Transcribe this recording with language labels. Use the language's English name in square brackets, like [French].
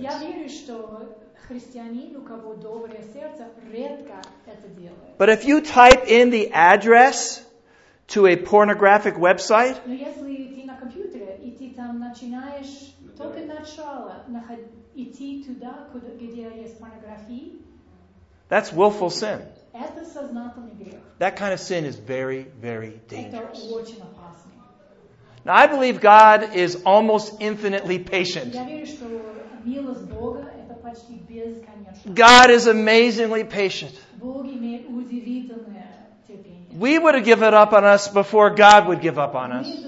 [Russian] Я верю, что христианин, у кого доброе сердце, редко это делает. [English] But if you type in the address to a pornographic website, [Russian] но если ты на компьютере и ты там начинаешь только начало идти туда, куда где есть порнография, [English] that's willful sin. [Russian] Это сознательный грех. [English] That kind of sin is very, very dangerous. [Russian] Это очень опасно. [English] Now, I believe God is almost infinitely patient. God is amazingly patient. We would have given up on us before God would give up on us.